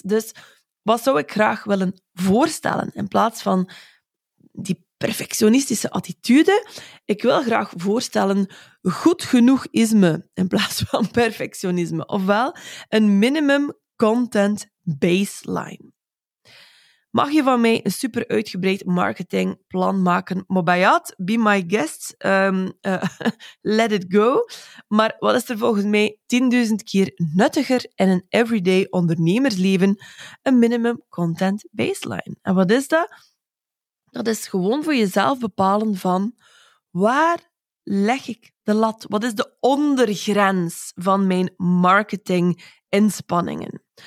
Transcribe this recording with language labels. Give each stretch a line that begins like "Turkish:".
Dutch: Dus wat zou ik graag willen voorstellen? In plaats van die perfectionistische attitude, ik wil graag voorstellen goed genoeg-isme in plaats van perfectionisme. Ofwel een minimum content baseline. Mag je van mij een super uitgebreid marketingplan maken?
English: Mobayat, be my guest, let it go.
Dutch: Maar wat is er volgens mij 10.000 keer nuttiger in een everyday ondernemersleven? Een minimum content baseline. En wat is dat? Dat is gewoon voor jezelf bepalen van waar leg ik de lat? Wat is de ondergrens van mijn marketinginspanningen?